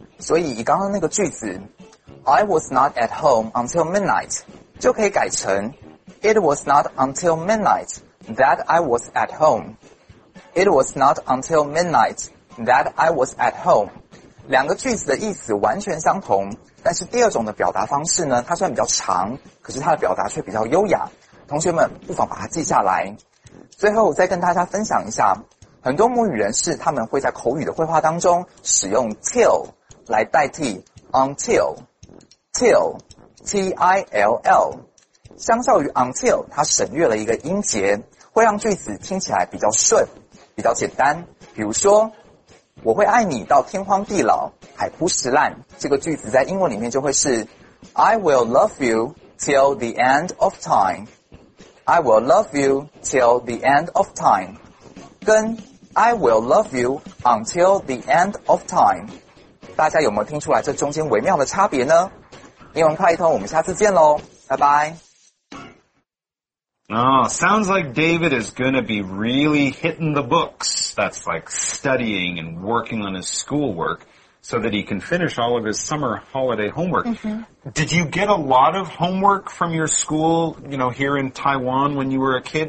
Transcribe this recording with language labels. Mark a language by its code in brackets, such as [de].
[zh] 所以以刚刚那个句子 [en] I was not at home until midnight [zh] 就可以改成 [en] It was not until midnight that I was at home。 It was not until midnight that I was at home。 [zh] 两个句子的意思完全相同，但是第二种的表达方式呢，它虽然比较长，可是它的表达却比较优雅，同学们不妨把它记下来。最后再跟大家分享一下，很多母语人士他们会在口语的绘画当中使用 till 来代替 until， till T-I-L-L， 相较于 until 它省略了一个音节，会让句子听起来比较顺比较简单。比如说，我会爱你到天荒地老海枯石烂，这个句子在英文里面就会是 [en] I will love you till the end of time。 I will love you till the end of time [zh] 跟 [en] I will love you until the end of time， [zh] 大家有没有听出来这中间微妙的差别呢？英文快一通，我们下次见咯，拜拜。 [en] Oh, sounds like David is gonna be really hitting the books. That's like studying and working on his schoolwork so that he can finish all of his summer holiday homework. Did you get a lot of homework from your school, you know, here in Taiwan when you were a kid?